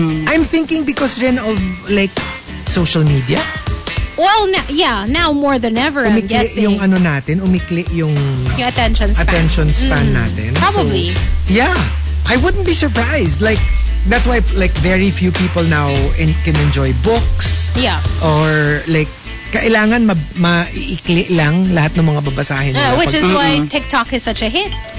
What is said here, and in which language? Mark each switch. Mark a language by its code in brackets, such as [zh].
[en] I'm thinking because [tl] rin [en] of, like, social media? Well, now more than ever, [tl] umikli [en] I'm guessing. [tl] Yung ano natin, umikli yung attention span. Attention span natin. [en] Probably. So, yeah. I wouldn't be surprised. Like, that's why like very few people now can enjoy books. Yeah. Or like, [tl] kailangan maiikli lang lahat ng mga babasahin nila. [en] Which is why TikTok is such a hit.